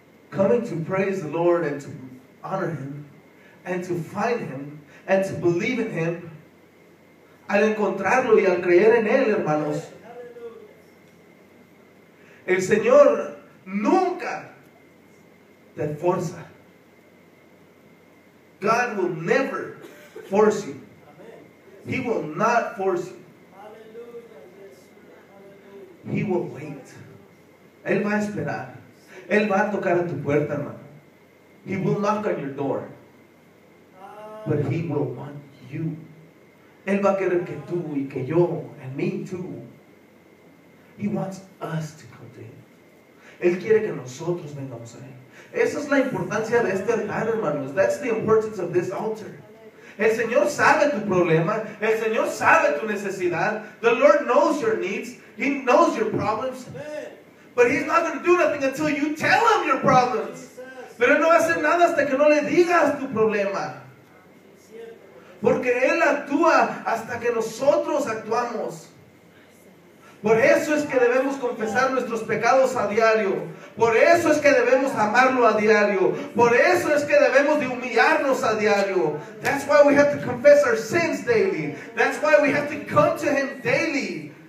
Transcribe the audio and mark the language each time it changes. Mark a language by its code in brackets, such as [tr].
[en] Coming to praise the Lord and to honor Him and to find Him and to believe in Him. [es] Al encontrarlo y al creer en Él, hermanos. El Señor nunca te fuerza. [en] God will never force you. He will not force you. He will wait. [es] Él va a esperar. Él va a tocar a tu puerta, hermano. [en] He will knock on your door. But He will want you. [es] Él va a querer que tú y que yo, [en] and me too. He wants us to come to Him. [es] Él quiere que nosotros vengamos a Él. Esa es la importancia de este altar, hermanos. [en] That's the importance of this altar. [es] El Señor sabe tu problema. El Señor sabe tu necesidad. [en] The Lord knows your needs. He knows your problems. But He's not going to do nothing until you tell Him your problems. [es] Pero no hace nada hasta que no le digas tu problema. Porque Él actúa hasta que nosotros actuamos. Por eso es que debemos confesar nuestros pecados a diario. Por eso es que debemos amarlo a diario. Por eso es que debemos de humillarnos a diario. [en] That's why we have to confess our sins daily. That's why we have to come to Him daily.